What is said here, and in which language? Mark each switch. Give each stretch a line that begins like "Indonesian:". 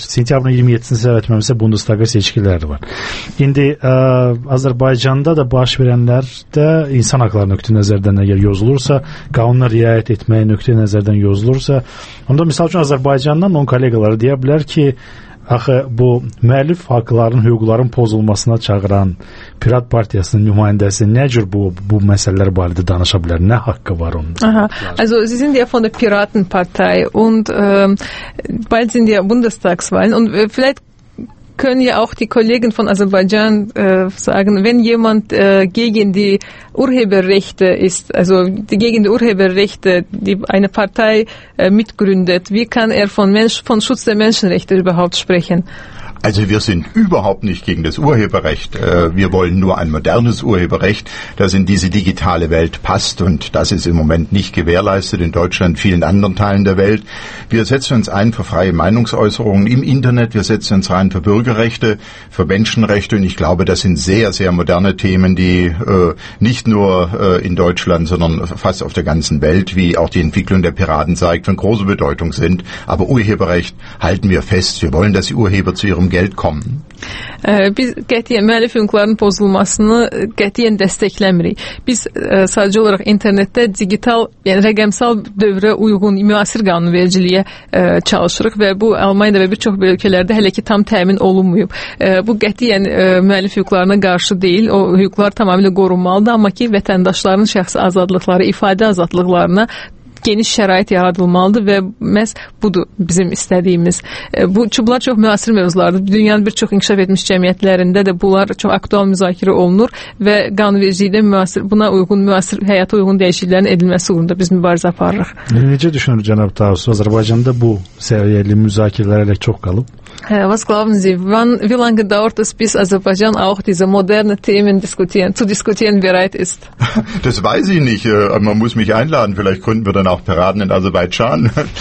Azerbaijani: Sentyabrın 27-sini səhv etməmsə, Bundestaga seçkilər var. İndi Azərbaycanda da baş verənlər də insan haqları nöqtəyi nəzərdən əgər yozulursa, qanuna riayət etməyə nöqtəyi nəzərdən yozulursa, onda misal üçün Azərbaycandan onun kolleqaları deyə bilər ki, axı bu müəllif haqqlarının, hüquqların pozulmasına çağıran Pirat Partiyasının nümayəndəsi nə cür bu məsələlər barədə danışa bilər? Nə haqqı var onun? Aha.
German: Also, Sie sind ja von der Piratenpartei und bald sind ja Bundestagswahlen und vielleicht können ja auch die Kollegen von Aserbaidschan sagen, wenn jemand gegen die Urheberrechte ist, also gegen die Urheberrechte, die eine Partei mitgründet, wie kann er von Schutz der Menschenrechte überhaupt sprechen? Also wir sind überhaupt nicht gegen das Urheberrecht. Wir wollen nur ein modernes Urheberrecht, das in diese digitale Welt passt. Und das ist im Moment nicht gewährleistet in Deutschland, vielen anderen Teilen der Welt. Wir setzen uns ein für freie Meinungsäußerungen im Internet. Wir setzen uns ein für Bürgerrechte, für Menschenrechte. Und ich glaube, das sind sehr, sehr moderne Themen, die nicht nur in Deutschland, sondern fast auf der ganzen Welt, wie auch die Entwicklung der Piraten zeigt, von großer Bedeutung sind. Aber Urheberrecht halten wir fest. Wir wollen, dass die Urheber zu ihrem Geld kommen.
Azerbaijani: Biz qətiyyən müəllif hüquqlarının pozulmasını qətiyyən dəstəkləmirik. Biz sadəcə olaraq internetdə digital, yəni rəqəmsal dövrə uyğun müasir qanunvericiliyə çalışırıq və bu Almaniyada və bir çox ölkələrdə hələ ki tam təmin olunmayıb. Bu qətiyyən müəllif hüquqlarına qarşı deyil, o hüquqlar tamamilə qorunmalıdır, amma ki vətəndaşların şəxsi azadlıqları, ifadə azadlıqlarına geniş şərait yaradılmalıdır və məhz budur bizim istədiyimiz. Bu çubuqlar çox müasir mövzulardır. Dünyanın bir çox inkişaf etmiş cəmiyyətlərində də bunlar çox aktual müzakirə olunur və qanunvericilikdə müasir, buna uyğun, müasir həyata uyğun dəyişikliklərin edilməsi uğrunda biz mübarizə aparırıq. Necə düşünür cənab Tavsu, Azərbaycanda bu səviyyəli müzakirələr elə çox qalıb?
German: Was glauben Sie, wann, wie lange dauert es, bis Aserbaidschan auch diese modernen Themen diskutieren, zu diskutieren bereit ist? Das weiß ich nicht. Man muss mich einladen. Vielleicht gründen wir dann auch Piraten in Aserbaidschan.